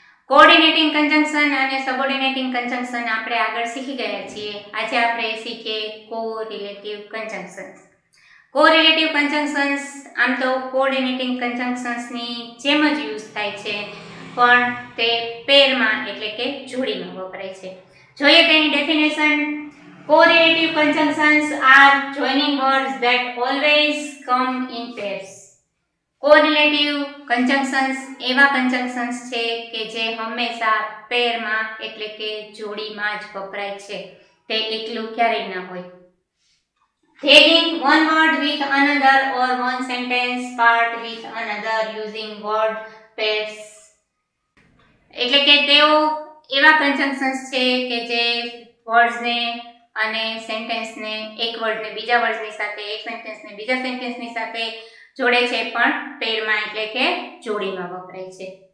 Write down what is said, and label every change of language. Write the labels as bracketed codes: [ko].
[gu] કોઓર્ડિનેટિંગ કન્જંક્શન અને સબઓર્ડિનેટિંગ કન્જંક્શન આપણે આગળ શીખી ગયા છીએ. આજે આપણે શીખીએ કોરિલેટિવ કન્જંક્શન્સ. કોરિલેટિવ કન્જંક્શન્સ આમ તો કોઓર્ડિનેટિંગ કન્જંક્શન્સની જેમ જ યુઝ થાય છે, પણ તે પેરમાં એટલે કે જોડીમાં વપરાય છે. જોઈએ તેની definition. [en] Correlative conjunctions are joining words that always come in pairs. [gu] Correlative conjunctions એવા conjunctions છે કે જે હંમેશા pairમાં એટલે કે જોડીમાં જ વપરાય છે, તે એકલું ક્યારેય ના હોય. [en] Tagging one word with another or one sentence part with another using word pairs. [gu] એટલે કે તેઓ એવા conjunctions છે કે જે વર્ડ્સને અને સેન્ટેન્સને એક વર્ડને બીજા વર્ડની સાથે, એક સેન્ટેન્સને બીજા સેન્ટેન્સની સાથે જોડે છે, પણ પેરમાં એટલે કે જોડીમાં વપરાય છે.